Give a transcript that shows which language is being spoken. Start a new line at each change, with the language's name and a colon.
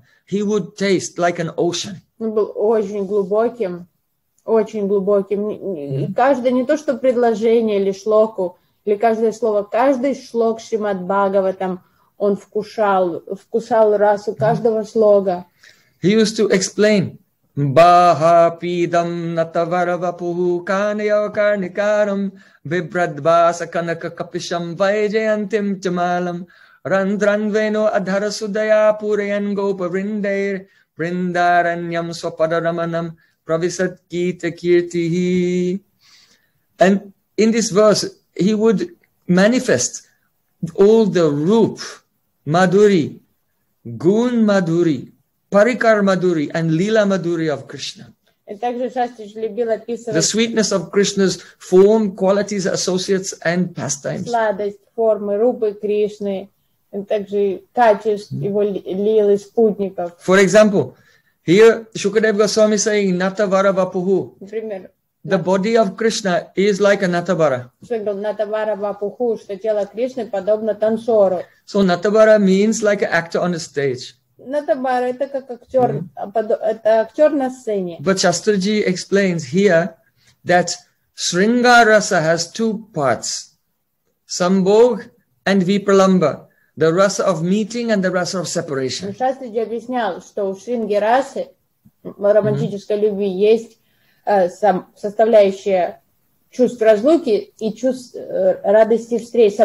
English: Not every verse, but every line, not every word, but every syllable of Srimad Bhagavatam, he would taste like an ocean.
Russian: Он был очень глубоким, очень глубоким. И каждое, не то что предложение или шлоку, или каждое слово, каждый шлок Шримад Бхагаватам, он вкушал расу каждого слога.
English: He used to explain.
Sanskrit: Баха пидам натаваравапуху канеокарникарам вибрадбаса канака капишам вайджаянтим чамалам рандранвену адхарасудая пуреян гопа риндейр риндараньям свападараманам прависат кита киртихи.
English: And in this verse, he would manifest all the roop, madhuri, gun madhuri, Parikar Madhuri and Lila Madhuri of Krishna. The sweetness of Krishna's form, qualities, associates and pastimes. Сладость формы рупы Кришны, также качеств его лилы спутников. For example, Here, Shukadeva Goswami is saying, Natavara Vapuhu. The body of Krishna is like a Natavara. So Natavara means like an actor on the stage. But Shastriji explains here that Sringarasa has two parts, Sambhog and Vipralamba. The rasa of meeting and the rasa of separation.
Russian: Shastriji объяснял, что у Шринги расы романтической любви есть составляющая чувств разлуки и чувств радости встречи.